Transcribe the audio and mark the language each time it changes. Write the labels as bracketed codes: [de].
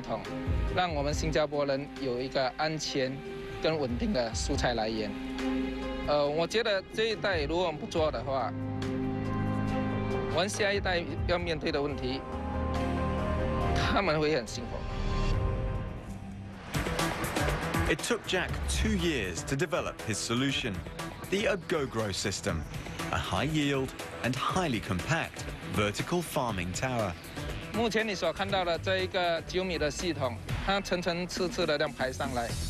[zh] 每一个人的眼里，农业是一个贫穷的一个行业。人生不应该只是追求金钱，所以我希望用我的知识在退休的时候可以建设一个系统，让我们新加坡人有一个安全 [en] It took Jack 2 years to develop his solution, the Agogro system, a high yield and highly compact vertical farming tower. [zh] 目前你所看到的这一个9米的系统，它层层次次的这样排上来。